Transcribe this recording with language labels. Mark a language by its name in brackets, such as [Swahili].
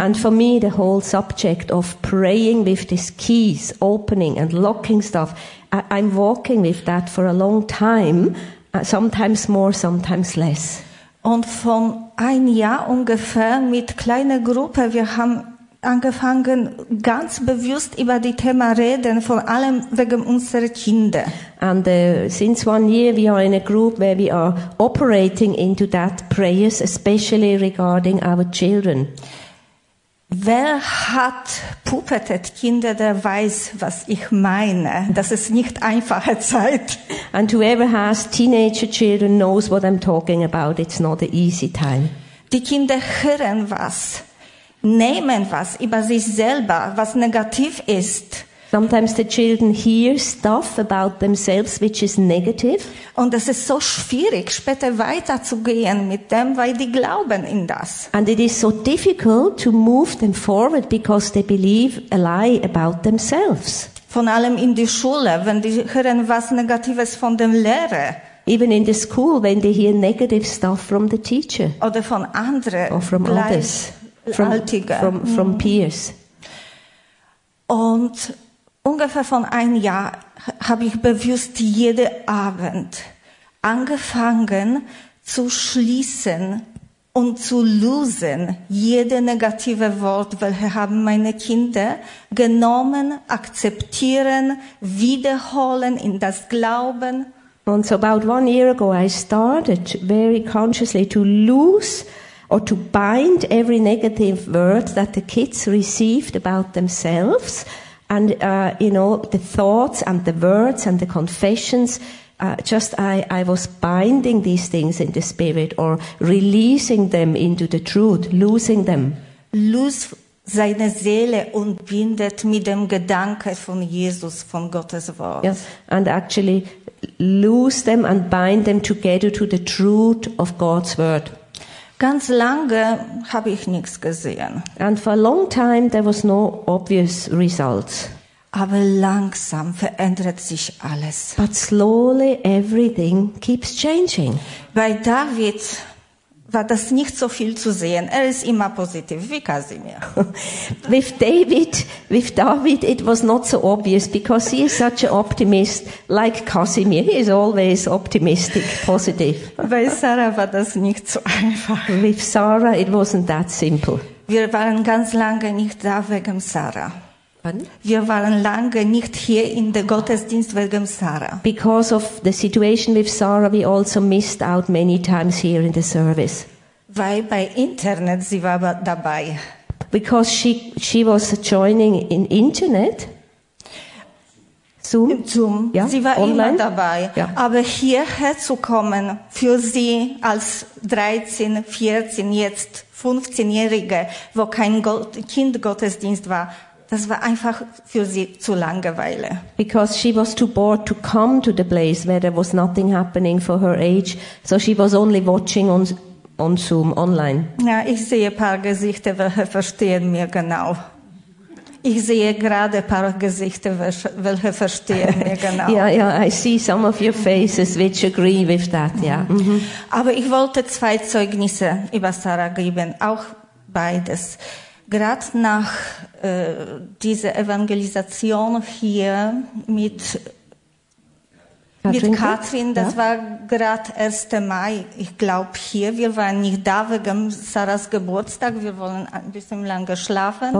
[English] And for me, the whole subject of praying with these keys, opening and locking stuff, I'm walking with that for a long time, sometimes more, sometimes less. [German] Und von ein Jahr ungefähr mit kleiner Gruppe, wir haben angefangen ganz bewusst über die Thema reden, vor allem wegen unserer Kinder. [English] And since one year we are in a group where we are operating into that prayers, especially regarding our children. [German] Wer hat pubertät Kinder, der weiß, was ich meine. Das ist nicht einfache Zeit. [English] And whoever has teenager children knows what I'm talking about. It's not an easy time. [German] Die Kinder hören was. Nehmen was über sich selber, was negativ ist. [English] Sometimes the children hear stuff about themselves, which is negative. [German] Und es ist so schwierig, später weiterzugehen mit dem, weil die glauben in das. [English] And it is so difficult to move them forward because they believe a lie about themselves. [German] Von allem in die Schule, wenn die hören was Negatives von dem Lehrer. [English] Even in the school, when they hear negative stuff from the teacher. [German] Oder von anderen. [English] Or from others. From peers. [German] Und ungefähr von ein Jahr habe ich bewusst jeden Abend angefangen zu schließen und zu lösen jede negative Wort, welche haben meine Kinder genommen, akzeptieren, wiederholen in das Glauben. [English] And so about one year ago I started very consciously to lose or to bind every negative word that the kids received about themselves and, you know, the thoughts and the words and the confessions. I was binding these things in the spirit or releasing them into the truth, losing them. [German] Lose seine Seele und bindet mit dem Gedanke von Jesus, von Gottes Wort. [English] Yes, and actually lose them and bind them together to the truth of God's word. [German] Ganz lange habe ich nichts gesehen. [English] And for a long time there was no obvious results. [German] Aber langsam verändert sich alles. [English] But slowly everything keeps changing. [German] Bei David war das nicht so viel zu sehen. Er ist immer positiv, wie Kasimir. [English] With David it was not so obvious because he is such an optimist like Kasimir. He is always optimistic, positive. [German] Bei Sarah war das nicht so einfach. [English] With Sarah it wasn't that simple. [German] Wir waren ganz lange nicht da wegen Sarah. Wir waren lange nicht hier in der Gottesdienst wegen Sarah. [English] Because of the situation with Sarah, we also missed out many times here in the service. [German] Weil bei Internet sie war dabei. [English] Because she was joining in Internet. Zoom. [German] Ja, sie war online. Immer dabei. Ja. Aber hierher zu kommen, für sie als 13, 14, jetzt 15-Jährige, wo kein Kindgottesdienst war, das war einfach für sie zu Langeweile. [English] Because she was too bored to come to the place where there was nothing happening for her age. So she was only watching on Zoom, online. [German] Ja, ich sehe ein paar Gesichter, welche verstehen mir genau. Ich sehe gerade ein paar Gesichter, welche verstehen mir genau. [English] Ja, I see some of your faces which agree with that, yeah. Mm-hmm. [German] Aber ich wollte zwei Zeugnisse über Sarah geben, auch beides. Gerade nach dieser Evangelisation hier mit Katrin, das war gerade 1. Mai, ich glaube hier, wir waren nicht da wegen Sarahs Geburtstag, wir wollen ein bisschen lange schlafen.